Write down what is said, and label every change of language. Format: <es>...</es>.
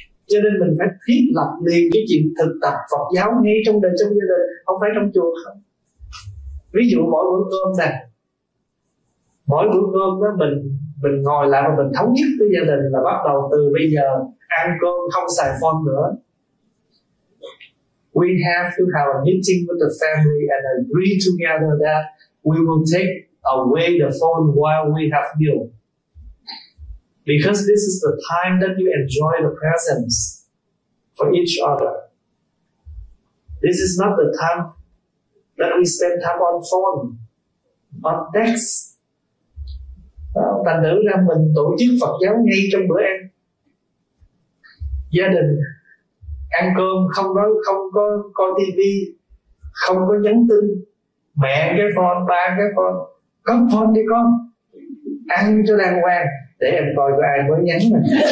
<vi>Cho nên mình phải thiết lập liền cái chuyện thực tập Phật giáo ngay trong đời sống gia đình, không phải trong chùa không. Ví dụ mỗi bữa cơm nè, mỗi bữa cơm đó mình ngồi lại và mình thống nhất với gia đình là bắt đầu từ bây giờ ăn cơm không xài phone nữa.</vi> <en>We have to have a meeting with the family and agree together that we will take away the phone while we have meal. Because this is the time that you enjoy the presence for each other. This is not the time that we spend time on phone, on text.</en> <vi>Thành nữ ra mình tổ chức Phật giáo ngay trong bữa ăn. Gia đình ăn cơm không nói, không có coi tivi, không có nhắn tin. Mẹ cái phone, ba cái phone, cấm phone đi con, ăn cho đàng hoàng, để em coi có ai mới nhắn mình.</vi>